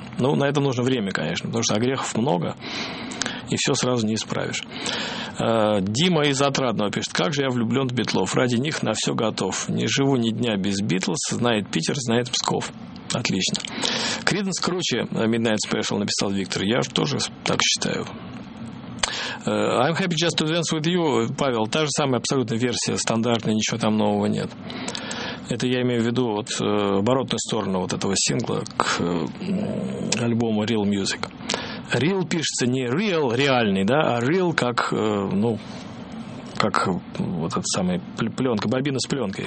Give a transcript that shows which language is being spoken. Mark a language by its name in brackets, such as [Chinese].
[Russian] Ну, на это нужно время, конечно, потому что огрехов много, и все сразу не исправишь. Дима из Отрадного пишет: «Как же я влюблен в Битлов. Ради них на все готов. Не живу ни дня без Битлз. Знает Питер, знает Псков». Отлично. «Криденс круче Midnight Special», написал Виктор. Я же тоже так считаю. [English] «I'm happy just to dance with you», Павел. [Russian] Та же самая абсолютная версия, стандартная, ничего там нового нет. Это я имею в виду вот оборотную сторону вот этого сингла к альбому «Real Music». «Real» пишется не «real», реальный, да, а «real» как, ну, как вот эта самая пленка, бобина с пленкой.